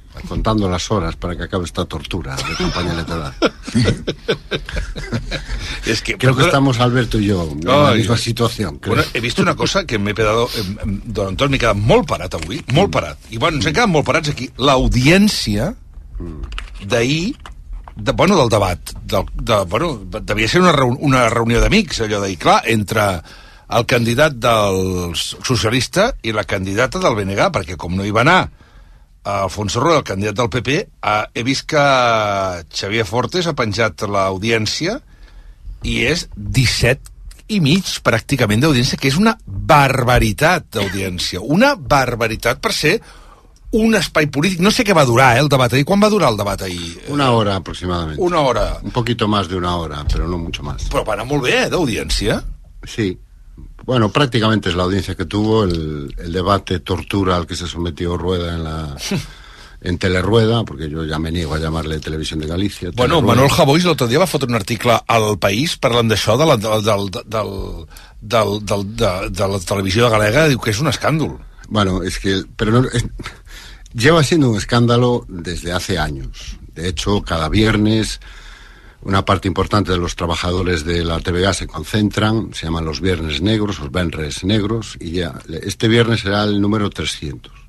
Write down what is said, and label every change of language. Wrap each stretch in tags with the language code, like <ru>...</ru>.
<es>Contando las horas para que acabe esta tortura de campaña electoral. Es que, creo que estamos Alberto y yo en la misma situación. Bueno, he visto una cosa que me he quedado, Don Anton, me he quedado</es> <ca>molt parat avui, molt parat. I bueno, ens hem quedat molt parats aquí. L'audiència d'ahir, bueno, del debat, bueno, devia ser una reunió d'amics, allò d'ahir, clar, entre el candidat del socialista i la candidata del BNG, perquè com no hi va anar Alfonso Rueda, el candidat del PP, he vist que Xavier Fortes ha penjat l'audiència i és 17,5 pràcticament d'audiència, que és una barbaritat d'audiència, una barbaritat per ser un espai polític. No sé què va durar, el debat ahir. Quan va durar el debat ahir? Una hora, aproximadament. Una hora.</ca> <es>Un poquito más de una hora, pero no mucho más.</es> <ca>Però va anar molt bé, d'audiència. Sí.</ca> <es>Bueno, prácticamente es la audiencia que tuvo el debate tortura al que se sometió Rueda en Telerueda, porque yo ya me niego a llamarle Televisión de Galicia. Bueno, Telerueda.</es> <ca>Manuel Javois l'altre dia va fotre un article al País parlant d'això, de la televisió galega, diu que és un escàndol.</ca> <es>Bueno, es que lleva siendo un escándalo desde hace años. De hecho, cada viernes una parte importante de los trabajadores de la TVA se concentran, se llaman los Viernes Negros, los Venres Negros, y ya, este viernes será el número 300.</es>